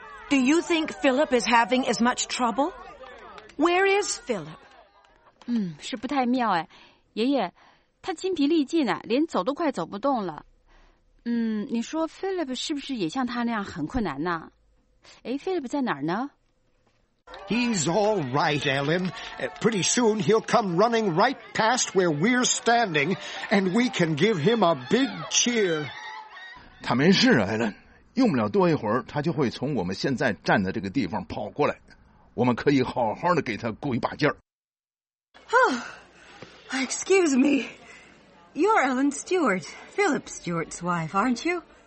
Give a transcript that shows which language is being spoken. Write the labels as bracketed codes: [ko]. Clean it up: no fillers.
[en] Do you think Philip is having as much trouble? Where is Philip? [zh] 是不太妙哎，爷爷，他筋疲力尽啊，连走都快走不动了。你说 Philip 是不是也像他那样很困难呢？哎 ，Philip 在哪儿呢 [en] ？He's all right, Ellen. Pretty soon he'll come running right past where we're standing, and we can give him a big cheer. [zh] 他没事 ，Ellen. 用不了多一会儿，他就会从我们现在站的这个地方跑过来。我们可以好好的给他鼓一把劲儿。 [en] Oh, excuse me. You're Ellen Stewart, Philip Stewart's wife, aren't you?